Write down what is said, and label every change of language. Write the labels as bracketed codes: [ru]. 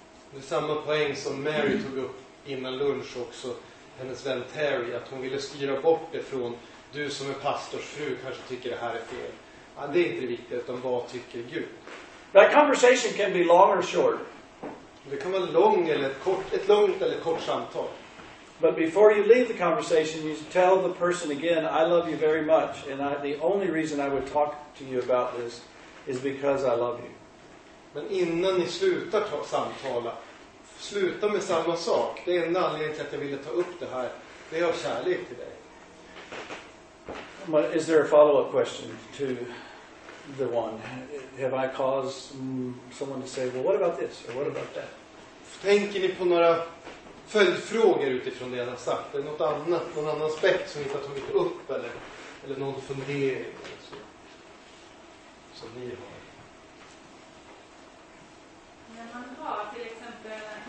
[sv] Det är samma poäng som Mary tog upp innan lunch också, hennes vän Terry, att hon ville styra bort det från, du som är pastors fru kanske tycker det här är fel. Ja, det är inte viktigt, utan vad tycker Gud? [en] That conversation can be long or short. [sv] Det kan vara lång eller kort, ett långt eller kort samtal. [en] But before you leave the conversation, you tell the person again, I love you very much. And the only reason I would talk to you about this is because I love you. [sv] Men innan ni slutar samtala, sluta med samma sak. Det är en anledning till att jag ville ta upp det här. Det är av kärlek till dig. [en] But is there a follow-up question to the one? Have I caused someone to say, well, what about this? Or what about that? [sv] Tänker ni på några följdfrågor utifrån det jag har sagt? Är det något annat, någon annan aspekt som ni har tagit upp? Eller någon fundering? Så, som ni har. När man har till exempel